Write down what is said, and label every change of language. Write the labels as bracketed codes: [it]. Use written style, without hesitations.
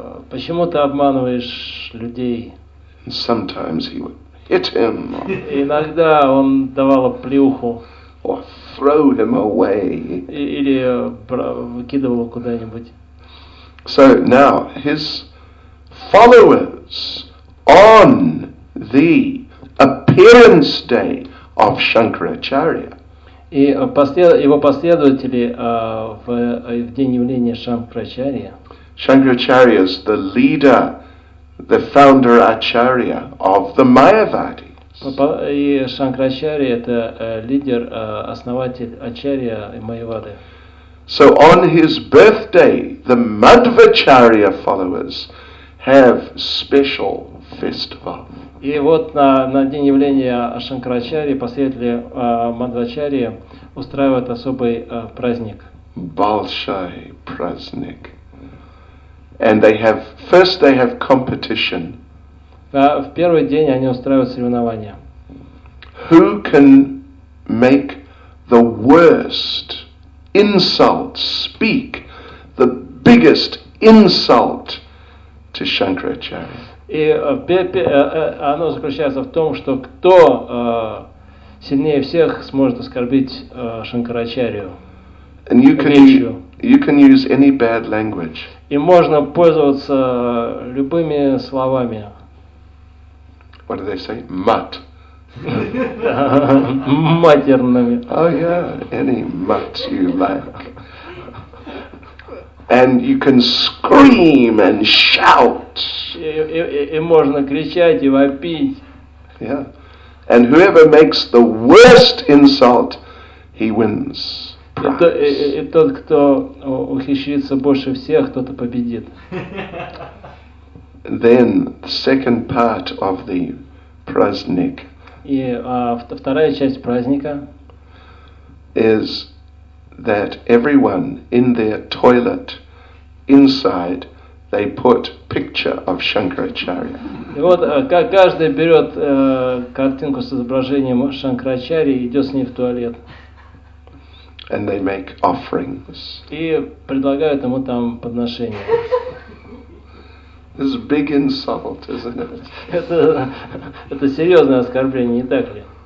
[ru] Почему ты обманываешь людей? [en] Sometimes he would hit him. [ru] Иногда он давал плюху. [en] Or throw him away. [ru] Или выкидывал куда-нибудь. [en] So now his followers on the appearance day of Shankaracharya. [ru] И его последователи в день явления Шанкарачарьи. [en] Shankaracharya is the leader, the founder Acharya of the Mayavadis. [ru] И Шанкарачарья это лидер, основатель Ачарья и Майявады. [en] So on his birthday, the Madhvacharya followers have special festival. [ru] И вот на день явления Шанкарачарьи последователи Мадхвачарьи устраивают особый праздник. Большой праздник. [en] And they have competition. [ru] В первый день они устраивают соревнования. [en] Who can make the worst insult speak, the biggest insult to Shankaracharya? [ru] И оно заключается в том, что кто сильнее всех сможет оскорбить Шанкарачарию. [en] And you can use any bad language. [ru] И можно пользоваться любыми словами. [en] What do they say? Mutt. [ru] Матерными. [en] Oh yeah, any mutt you like. And you can scream and shout. [ru] И можно кричать и вопить. [en] Yeah. And whoever makes the worst insult, he wins. [ru] И тот, кто ухищрится больше всех, тот и победит. [en] Then the second part of the праздник. [ru] И вторая часть праздника. [en] Is that everyone in their toilet inside they put picture of Shankaracharya. [ru] И вот каждый берет картинку с изображением Шанкарачарьи и идет с ней в туалет. [en] And they make offerings. [ru] И предлагают ему там подношения. [en] This is a big insult, isn't it? [ru] Это серьезное оскорбление, не так ли?